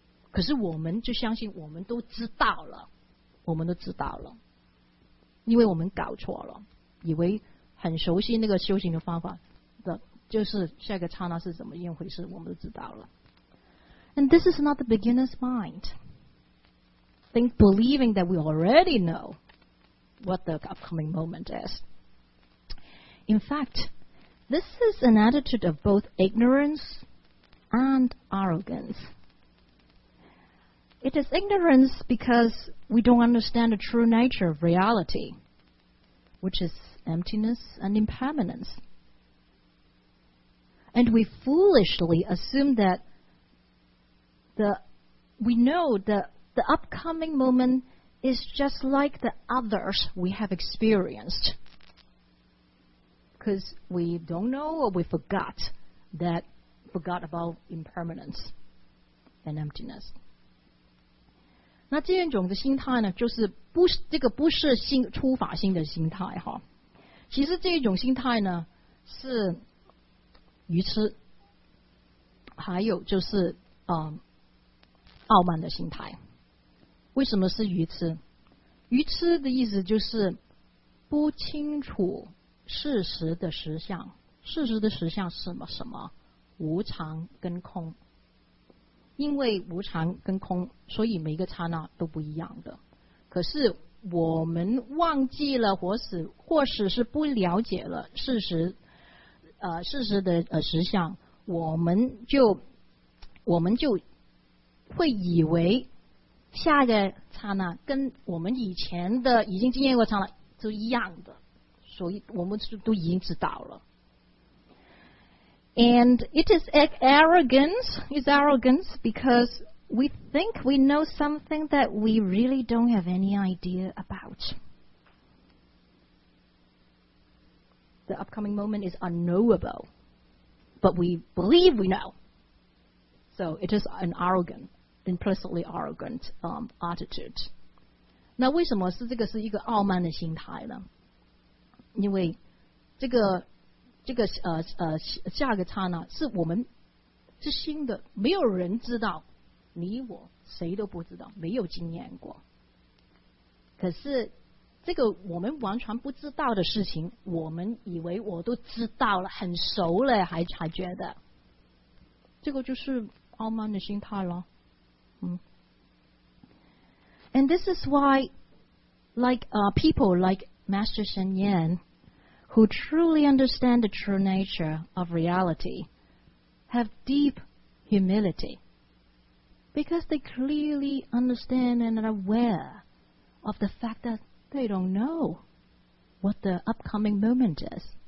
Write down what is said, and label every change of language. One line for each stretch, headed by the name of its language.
Chinese: 可是我们就相信我们都知道了，我们都知道了，因为我们搞错了，以为很熟悉那个修行的方法的，就是下一个刹那是怎么一回事，我们都知道了。
English: And this is not the beginner's mind think believing that we already know what the upcoming moment is. In fact, this is an attitude of both ignorance and arrogance. It is ignorance because we don't understand the true nature of reality, which is emptiness and impermanence. And we foolishly assume that we know that the upcoming moment is just like the others we have experienced. Because we don't know or we forgot about impermanence and emptiness.
Chinese: 那这样一种的心态呢，就是不，这个不是心，初法心的心态哈。其实这一种心态呢，是愚痴，还有就是傲慢的心态。为什么是愚痴？愚痴的意思就是不清楚事实的实相。事实的实相是什么？无常跟空。因为无常跟空，所以每一个刹那都不一样的。可是我们忘记了，或是是不了解了事实的实相，我们就会以为下一个刹那跟我们以前的已经经验过刹那是一样的，所以我们都已经知道了。
English: And it is arrogance because we think we know something that we really don't have any idea about. The upcoming moment is unknowable, but we believe we know. So it is an arrogant, implicitly arrogant attitude.
Chinese: 那为什么是这个是一个傲慢的心态呢？因为这个下个刹那是我们是新的，没有人知道，你我谁都不知道，没有经验过。可是这个我们完全不知道的事情，我们以为我都知道了，很熟了，还觉得这个就是傲慢的心态了。
English: And this is why, people like Master Shen Yan. Who truly understand the true nature of reality have deep humility because they clearly understand and are aware of the fact that they don't know what the upcoming moment is.